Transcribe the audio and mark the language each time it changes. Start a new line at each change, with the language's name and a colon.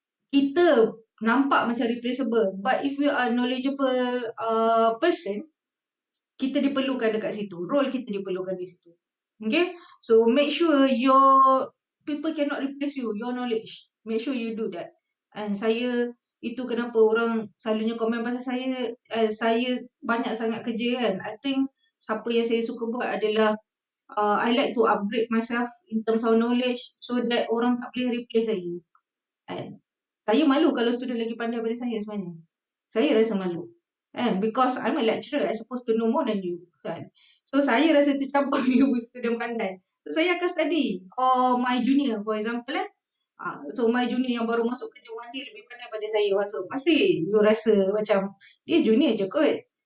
Malay: Kita nampak macam replaceable,
English: but if you are knowledgeable person,
Malay: kita diperlukan dekat situ. Role kita diperlukan di situ. Okay?
English: So, make sure your people cannot replace you, your knowledge. Make sure you do that.
Malay: And saya, itu kenapa orang selalunya komen pasal saya, saya banyak sangat kerja kan.
English: I think,
Malay: siapa yang saya suka buat adalah,
English: I like to upgrade myself in terms of knowledge so that
Malay: orang tak boleh replace saya. And saya malu kalau student lagi pandai daripada saya sebenarnya. Saya rasa malu.
English: And because I'm a lecturer, I supposed to know more than you, kan?
Malay: So saya rasa tercampur you with student pandai. So saya akan study.
English: Or my junior, for example, eh? So my junior
Malay: yang baru masuk kerja
English: one day
Malay: lebih pandai pada saya. So masih you rasa macam dia junior je kot.